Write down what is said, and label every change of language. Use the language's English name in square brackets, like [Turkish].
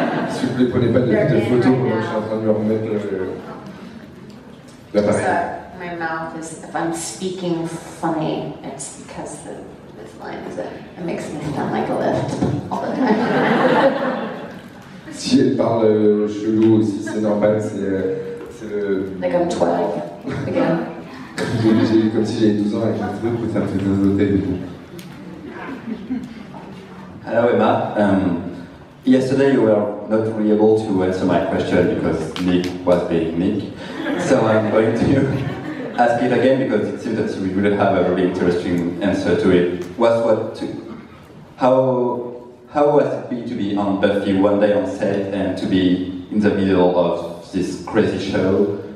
[French] S'il vous plaît, prenez pas de photos pendant que je suis en train de me remettre l'appareil. [English] My mouth is, if I'm speaking funny, it's because the Invisalign is it. It makes me sound like a lift all the time. [French] Si elle parle chelou aussi, c'est normal, c'est le... [English] Like I'm 12, again. [French] J'ai eu comme si j'avais 12 ans avec un truc pour faire des notes de vous. [English] Hello Emma. Yesterday you were not really able to answer my question because Nick was being Nick. So I'm going to ask it again because it seems that we wouldn't have a really interesting answer to it. How was it be to be on Buffy one day on set and to be in the middle of this crazy show?